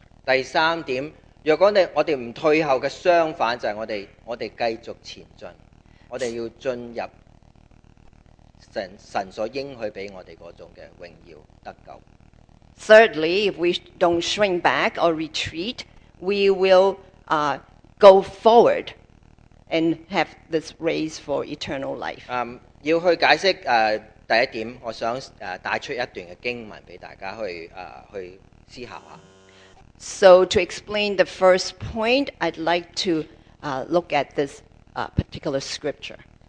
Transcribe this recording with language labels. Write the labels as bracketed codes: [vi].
[yue] 第三點，若果我哋唔退後嘅相反，就係我哋繼續前進，我哋要進入神所應許俾我哋嗰種嘅榮耀得救。 [en] Thirdly, if we don't shrink back or retreat, we will go forward and have this race for eternal life. [yue] 要去解釋第一點，我想帶出一段嘅經文俾大家去思考下。 [en] So to explain the first point, I'd like to look at this particular scripture.